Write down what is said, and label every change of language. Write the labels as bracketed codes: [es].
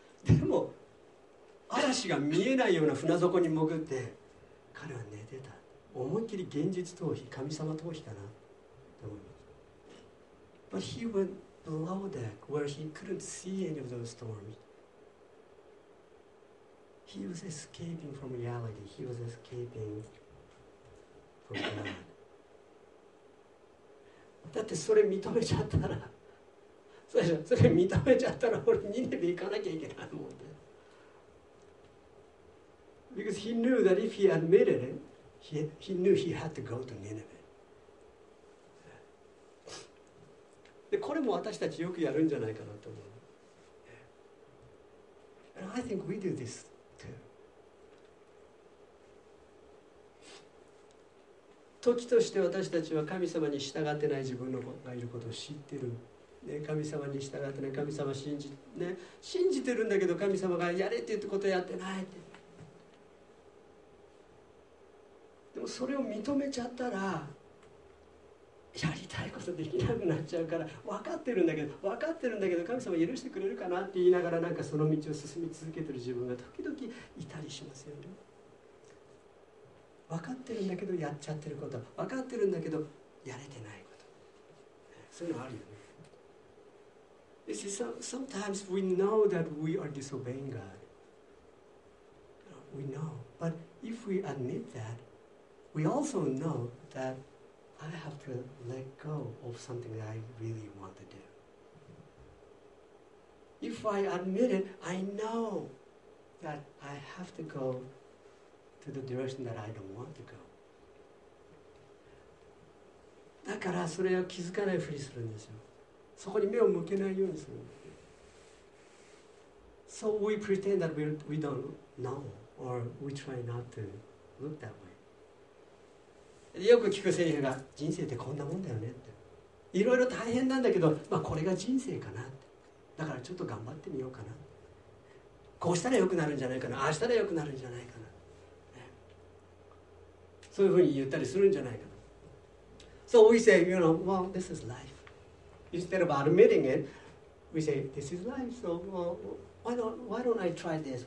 [ja] でも嵐が見えないような船底に潜って彼は寝てた。思いっきり現実逃避、神様逃避かなと思います。 [en] But he went below deck where he couldn't see any of those storms. He was escaping from reality. He was escaping from God. [ja] だってそれ認めちゃったら、それ認めちゃったら俺逃げていかなきゃいけないと思って。 [en] Because he knew that if he admitted it, he knew he had to go to Nineveh. [ja] で、これも私たちよくやるんじゃないかなと思う。 [en] And I think we do this too. [ja] 時として私たちは神様に従ってない自分がいることを知ってる。ね、神様に従ってない、神様信じ、ね、信じてるんだけど神様がやれって言ったことをやってないって。でもそれを認めちゃったらやりたいことできなくなっちゃうから、分かってるんだけど神様許してくれるかなって言いながらなんかその道を進み続けてる自分が時々いたりしますよね。分かってるんだけどやっちゃってること、分かってるんだけどやれてないこと、そういうのあるよね。 [en] You see, sometimes we know that we are disobeying God. We know. But if we admit thatWe also know that I have to let go of something that I really want to do. If I admit it, I know that I have to go to the direction that I don't want to go. [ja] だからそれを気づかないふりするんですよ。そこに目を向けないようにする。 [en] So we pretend that we don't know, or we try not to look that way. [ja] よく聞くセリフが、人生ってこんなもんだよねって、いろいろ大変なんだけど、まあこれが人生かなって、だからちょっと頑張ってみようかな、こうしたらよくなるんじゃないかな、ああしたらよくなるんじゃないかな、そういうふうに言ったりするんじゃないかな。 [en] So we say, you know, well, this is life. Instead of admitting it, we say, this is life, so why don't I try this?